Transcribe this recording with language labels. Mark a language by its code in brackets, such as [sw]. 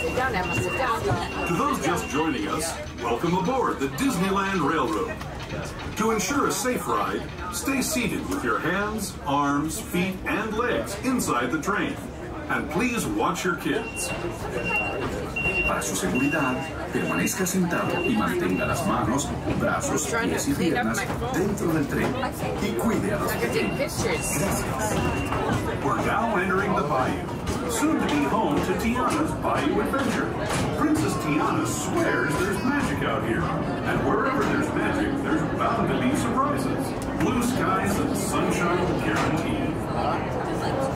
[en] To those just joining us, welcome aboard the Disneyland Railroad. To ensure a safe ride, stay seated with your hands, arms, feet, and legs inside the train. And please watch your kids. [es] Para su seguridad, permanezca sentado y mantenga las manos, brazos, pies y piernas dentro del tren. Y cuide a los pequeños. [en] We're now entering the bayou, soon to be home to Tiana's Bayou Adventure. Princess Tiana swears there's magic out here. And wherever there's magic, there's bound to be surprises. Blue skies and sunshine guaranteed.